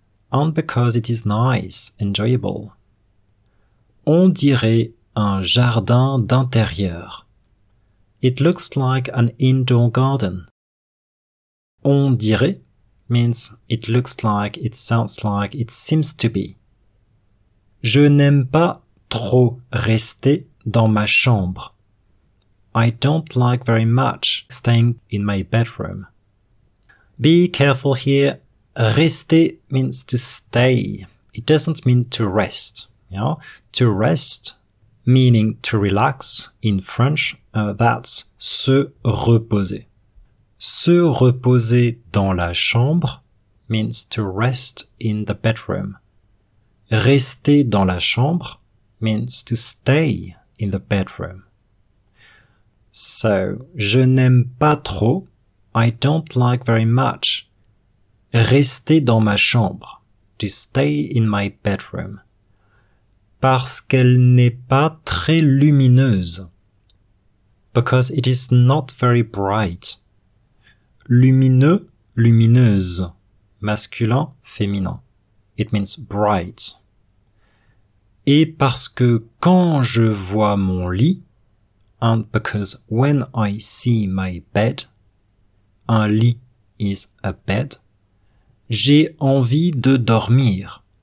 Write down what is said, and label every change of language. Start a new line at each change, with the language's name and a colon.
English: And because it is nice, enjoyable.
French: On dirait un jardin d'intérieur.
English: It looks like an indoor garden.
French: On dirait
English: means it looks like, it sounds like, it seems to be.
French: Je n'aime pas trop rester dans ma chambre.
English: I don't like very much staying in my bedroom. Be careful here. Rester means to stay. It doesn't mean to rest. You know? To rest, meaning to relax in French, that's
French: se reposer. Se reposer dans la chambre
English: means to rest in the bedroom.
French: Rester dans la chambre
English: means to stay in the bedroom. So,
French: je n'aime pas trop.
English: I don't like very much.
French: Rester dans ma chambre.
English: To stay in my bedroom.
French: Parce qu'elle n'est pas très lumineuse.
English: Because it is not very bright.
French: Lumineux, lumineuse. Masculin, féminin.
English: It means bright.
French: Et parce que quand je vois mon lit,
English: and because when I see my bed,
French: un lit
English: is a bed,
French: j'ai envie de dormir.